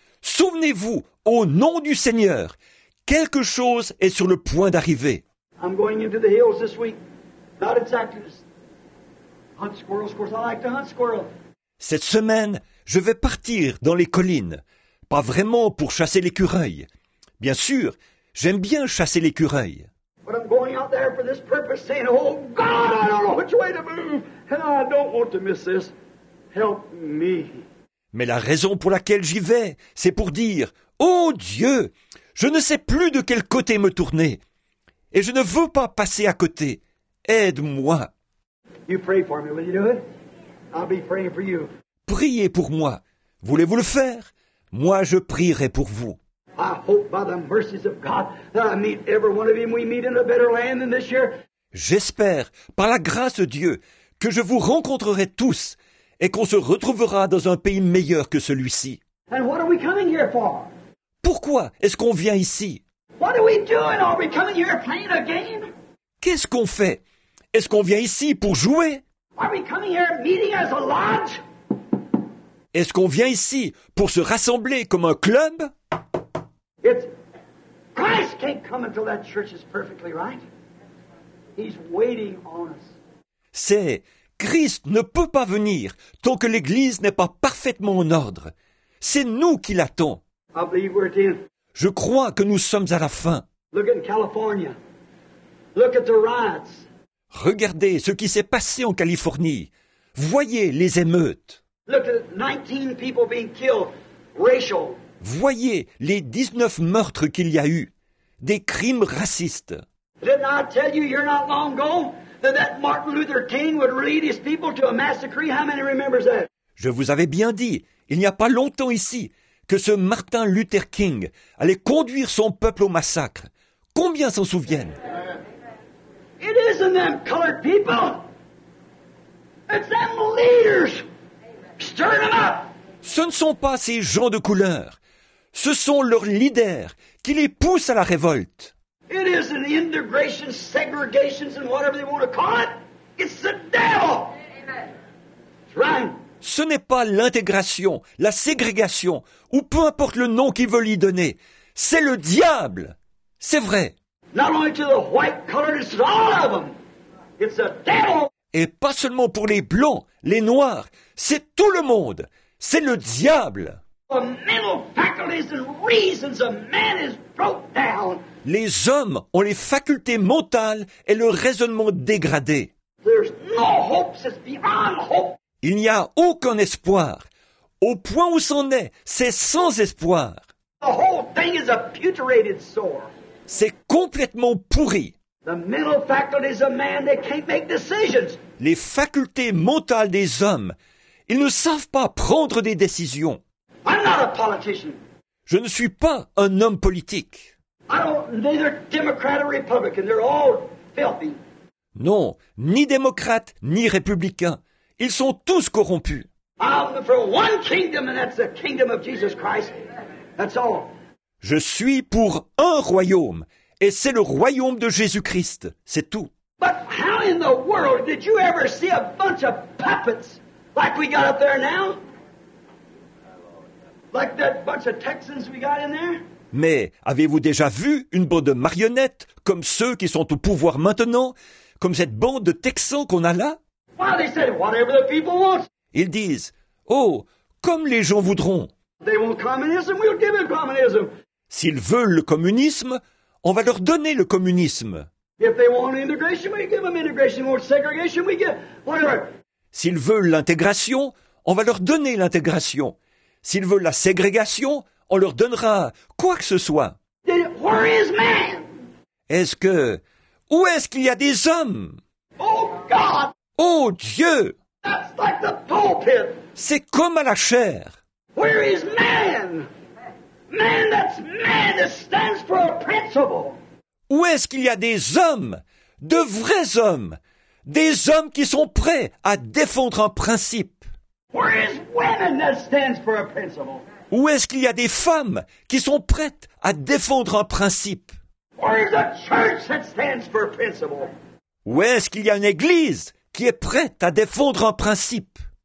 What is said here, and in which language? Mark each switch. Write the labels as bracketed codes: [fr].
[fr] Souvenez-vous, au nom du Seigneur, quelque chose est sur le point d'arriver. [en] I'm going into the hills this week. Not exactly. Hunt squirrels, of course. I like to hunt squirrels. [fr] Cette semaine, je vais partir dans les collines. Pas vraiment pour chasser l'écureuil. Bien sûr, j'aime bien chasser l'écureuil. [en] But I'm going out there for this purpose, saying, "Oh God, I don't know which way to move, and I don't want to miss this. Help me." [fr] Mais la raison pour laquelle j'y vais, c'est pour dire, oh Dieu, je ne sais plus de quel côté me tourner. Et je ne veux pas passer à côté. Aide-moi. [en] You pray for me, will you do it? I'll be praying for you. [fr] Priez pour moi. Voulez-vous le faire? Moi, je prierai pour vous. [en] I hope by the mercies of God that I meet every one of you and we meet in a better land than this year. [fr] J'espère, par la grâce de Dieu, que je vous rencontrerai tous et qu'on se retrouvera dans un pays meilleur que celui-ci. [en] And what are we coming here for? [fr] Pourquoi est-ce qu'on vient ici? [en] What are we doing? Are we coming here playing a game? [fr] Qu'est-ce qu'on fait? Est-ce qu'on vient ici pour jouer? [en] Are we coming here meeting as a lodge? [fr] Est-ce qu'on vient ici pour se rassembler comme un club? [en] It's Christ can't come until that church is perfectly right. He's waiting on us. [fr] C'est Christ ne peut pas venir tant que l'Église n'est pas parfaitement en ordre. C'est nous qui l'attend. [en] I believe we're at the end. [fr] Je crois que nous sommes à la fin. [en] Look at California. Look at the riots. [fr] Regardez ce qui s'est passé en Californie. Voyez les émeutes. [en] Look at 19 people being killed, racial. [fr] Voyez les 19 meurtres qu'il y a eu, des crimes racistes. [en] Didn't I tell you, you're not long ago, that Martin Luther King would lead his people to a mass decree? How many remembers that? [fr] Je vous avais bien dit, il n'y a pas longtemps ici, que ce Martin Luther King allait conduire son peuple au massacre. Combien s'en souviennent? [en] It isn't them colored people. It's them leaders. Stir them up. Ce ne sont pas ces gens de couleur. Ce sont leurs leaders qui les poussent à la révolte. It is an integration, segregation, and whatever they want to call it. It's the devil. Amen. It's right. [fr] Ce n'est pas l'intégration, la ségrégation, ou peu importe le nom qu'ils veulent y donner. C'est le diable. C'est vrai. [en] Not only to the white color, it's all of them. It's the devil. [fr] Et pas seulement pour les blancs, les noirs. C'est tout le monde. C'est le diable. [en] The mental faculties and reasons of man is broke down. [fr] Les hommes ont les facultés mentales et le raisonnement dégradé. [en] There's no hope, it's beyond hope. [fr] Il n'y a aucun espoir. Au point où c'en est, c'est sans espoir. [en] The whole thing is a putrid sore. [fr] C'est complètement pourri. [en] The mental faculties of man, they can't make decisions. [fr] Les facultés mentales des hommes, ils ne savent pas prendre des décisions. [en] I'm not a politician. [fr] Je ne suis pas un homme politique. [en] I don't, neither Democrat or Republican. They're all filthy. [fr] Non, ni démocrate ni républicain. Ils sont tous corrompus. [en] I'm for one kingdom, and that's the kingdom of Jesus Christ. That's all. [fr] Je suis pour un royaume, et c'est le royaume de Jésus-Christ. C'est tout. [en] But how in the world did you ever see a bunch of puppets like we got up there now? Like that bunch of Texans we got in there? [fr] Mais avez-vous déjà vu une bande de marionnettes comme ceux qui sont au pouvoir maintenant, comme cette bande de Texans qu'on a là? [en] Why, they said, whatever the people want. [fr] Ils disent, oh, comme les gens voudront. [en] They want communism, we'll give them communism. [fr] S'ils veulent le communisme, on va leur donner le communisme. [en] If they want integration, we give them integration. Want segregation, we give whatever. [fr] S'ils veulent l'intégration, on va leur donner l'intégration. S'ils veulent la ségrégation, on leur donnera quoi que ce soit. [en] Where is man? [fr] Est-ce que... Où est-ce qu'il y a des hommes? [en] Oh, God! [fr] Oh, Dieu! [en] That's like the pulpit. [fr] C'est comme à la chair. [en] Where is man? Man, that's man that stands for a principle. [fr] Où est-ce qu'il y a des hommes? De vrais hommes? Des hommes qui sont prêts à défendre un principe? [en] Where is women that stands for a principle? [fr] Où est-ce qu'il y a des femmes qui sont prêtes à défendre un principe? [en] Where is a church that stands for a principle? [fr] Où est-ce qu'il y a une église qui est prête à défendre un principe?